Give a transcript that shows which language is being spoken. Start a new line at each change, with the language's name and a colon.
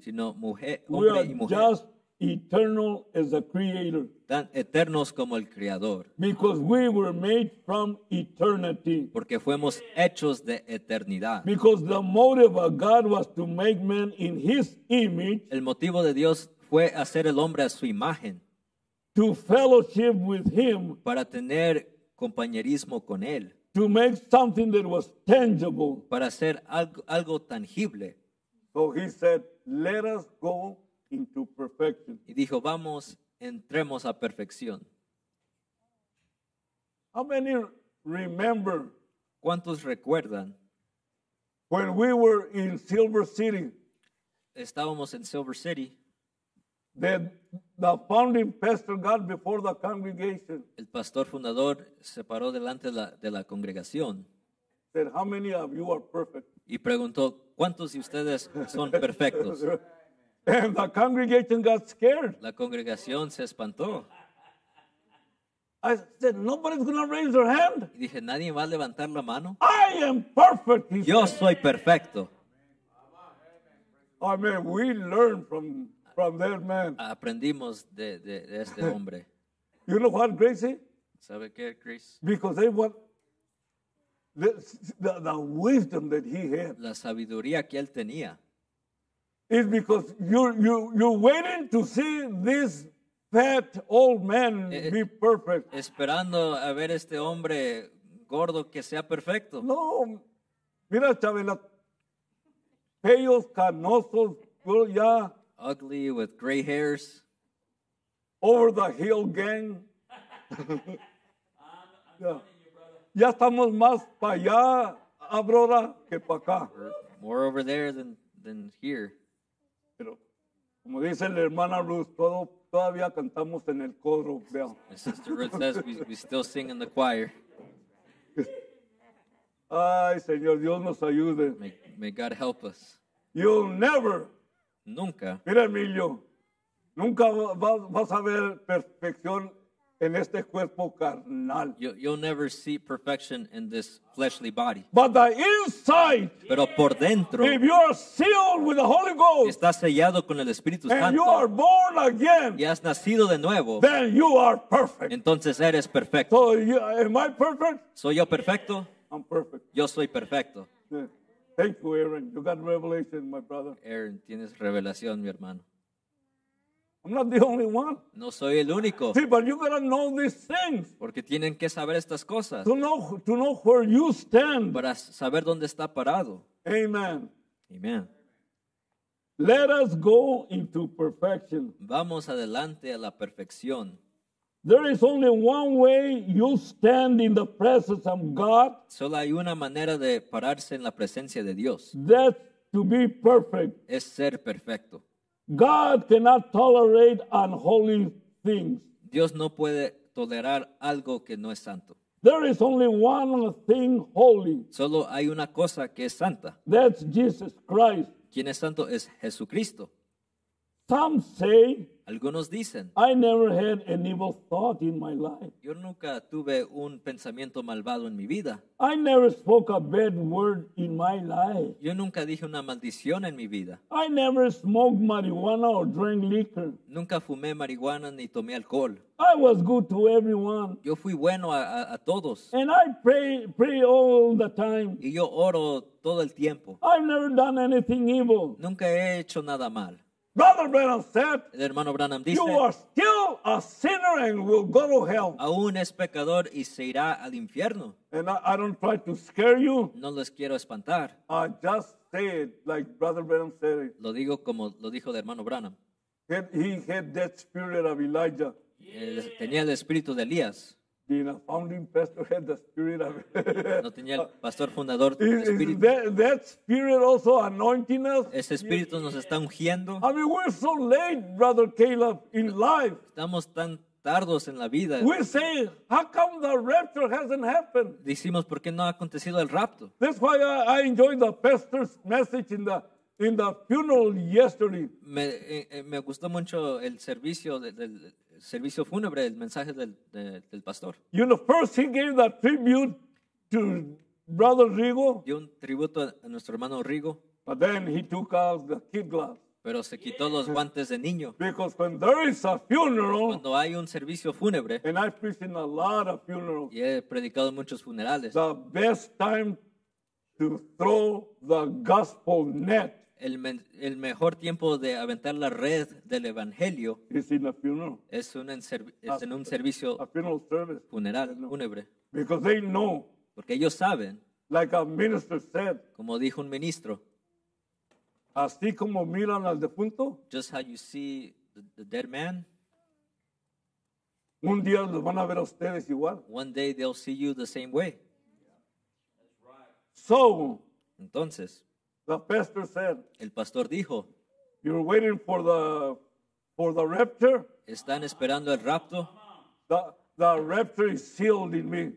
Spanish: sino mujer,
English: we
Spanish: hombre
English: are
Spanish: y mujer.
English: Just eternal as the creator.
Spanish: Tan eternos como el creador.
English: Because we were made from eternity.
Spanish: Porque fuimos hechos de eternidad.
English: Because the motive of God was to make man in his image.
Spanish: El motivo de Dios fue hacer el hombre a su imagen.
English: To fellowship with him.
Spanish: Para tener compañerismo con él.
English: To make something that was tangible.
Spanish: Para hacer algo tangible.
English: So he said, let us go into perfection.
Spanish: Y dijo, vamos, entremos a perfección.
English: How many remember?
Spanish: ¿Cuántos recuerdan?
English: When we were in Silver City.
Spanish: Estábamos en Silver City.
English: That the founding pastor got before the congregation.
Spanish: El pastor fundador se paró delante de la congregación.
English: Said, how many of you are perfect?
Spanish: Y preguntó, ¿cuántos de ustedes son perfectos?
English: And the congregation got scared.
Spanish: La congregación se espantó.
English: I said, nobody's going to raise their hand.
Spanish: Y dije, nadie va a levantar la mano.
English: I am perfect.
Spanish: Yo soy perfecto.
English: I mean, we learned from that man.
Spanish: Aprendimos de este hombre.
English: You know what, Gracie?
Spanish: ¿Sabe qué, Chris?
English: Because they want the wisdom that he had.
Spanish: La sabiduría que él tenía.
English: It's because you're waiting to see this fat old man be perfect.
Spanish: Esperando a ver este hombre gordo que sea perfecto. No, mira, Chabela, pelos canosos, yeah.
English: Ugly with gray hairs. Over the hill gang.
Spanish: Ya estamos más pa allá, Aurora, que pa acá.
English: More over there than here.
Spanish: Como dice la hermana Ruth, todavía cantamos en el coro, vea.
English: Sister Ruth says we still sing in the choir.
Spanish: Ay, Señor, Dios nos ayude.
English: May God help us. You'll never.
Spanish: Nunca. Mira, Emilio, nunca vas a ver perfección en este cuerpo carnal.
English: You'll never see perfection in this fleshly body. But the inside.
Spanish: Pero por dentro.
English: If you are sealed with the Holy Ghost.
Spanish: Estás sellado con el Espíritu Santo.
English: And you are born again.
Spanish: Y has nacido de nuevo.
English: Then you are perfect.
Spanish: Entonces eres perfecto.
English: So am I perfect?
Spanish: ¿Soy yo perfecto?
English: I'm perfect.
Spanish: Yo soy perfecto.
English: Yeah. Thank you, Aaron. You got revelation, my brother.
Spanish: Aaron, tienes revelación, mi hermano.
English: I'm not the only one.
Spanish: No soy el único.
English: See, but you gotta know these things.
Spanish: Porque tienen que saber estas cosas.
English: To know where you stand.
Spanish: Para saber dónde está parado.
English: Amen.
Spanish: Amen.
English: Let us go into perfection.
Spanish: Vamos adelante a la perfección.
English: There is only one way you stand in the presence of God.
Spanish: Solo hay una manera de pararse en la presencia de Dios.
English: That's to be perfect.
Spanish: Es ser perfecto.
English: God cannot tolerate unholy things.
Spanish: Dios no puede tolerar algo que no es santo.
English: There is only one thing holy.
Spanish: Solo hay una cosa que es santa.
English: That's Jesus Christ.
Spanish: Quien es santo es Jesucristo.
English: Some say,
Spanish: algunos dicen,
English: I never had an evil thought in my life.
Spanish: Yo nunca tuve un pensamiento malvado en mi vida.
English: I never spoke a bad word in my life.
Spanish: Yo nunca dije una maldición en mi vida.
English: I never smoked marijuana or drank liquor.
Spanish: Nunca fumé marihuana ni tomé alcohol.
English: I was good to everyone.
Spanish: Yo fui bueno a todos.
English: And I pray all the time.
Spanish: Y yo oro todo el tiempo.
English: I've never done anything evil.
Spanish: Nunca he hecho nada mal.
English: Brother Branham said,
Spanish: el hermano Branham dice,
English: you are still a sinner and will go to hell.
Spanish: Aún es pecador y se irá al infierno.
English: And I don't try to scare you.
Spanish: No los quiero espantar.
English: I just say it like Brother Branham said it.
Spanish: Lo digo como lo dijo el hermano Branham.
English: He had that spirit of Elijah.
Spanish: Yeah. Tenía el espíritu de Elías.
English: Being a founding pastor had the spirit of
Spanish: no tenía el pastor fundador
English: espíritu. That spirit also anointing us.
Spanish: Ese espíritu nos está ungiendo.
English: I mean, we're so late, Brother Caleb, in life.
Spanish: Estamos tan tardos en la vida.
English: We say, how come the rapture hasn't happened?
Spanish: Decimos, ¿por qué no ha acontecido el rapto?
English: That's why I enjoyed the pastor's message in the funeral yesterday.
Spanish: Me gustó mucho el servicio servicio fúnebre, el mensaje del pastor.
English: You know, first he gave that tribute to Brother Rigo.
Spanish: Dio un tributo a nuestro hermano Rigo.
English: But then he took out the kid gloves.
Spanish: Pero se quitó los guantes de niño.
English: Because when there is a funeral,
Spanish: cuando hay un servicio fúnebre,
English: and I've preached in a lot of funerals,
Spanish: y he predicado muchos funerales,
English: the best time to throw the gospel net.
Spanish: El mejor tiempo de aventar la red del evangelio
English: is in a funeral.
Spanish: es en un servicio funeral fúnebre.
English: Because they know,
Spanish: porque ellos saben,
English: like a minister said,
Spanish: como dijo un ministro, así como miran al defunto,
English: just how you see the dead man,
Spanish: un día los van a ver a ustedes igual.
English: One day they'll see you the same way. So,
Spanish: entonces,
English: the pastor said,
Spanish: el pastor dijo,
English: you're waiting for the rapture.
Spanish: Están esperando el rapto.
English: The rapture is sealed in me.